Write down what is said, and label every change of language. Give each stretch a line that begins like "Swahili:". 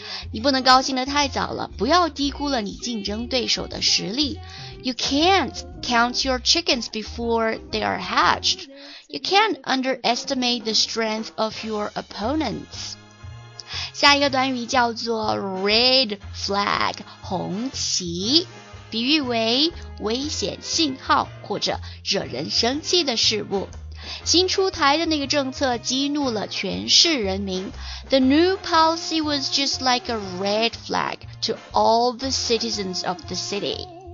Chinese: 你不能高兴得太早了，不要低估了你竞争对手的实力。
English: You can't count your chickens before they are hatched. You can't underestimate the strength of your opponents.
Chinese: 下一个短语叫做 red flag, 红旗，比喻为危险信号或者惹人生气的事物。新出台的那个政策激怒了全市人民。
English: The new policy was just like a red flag to all the citizens of the city.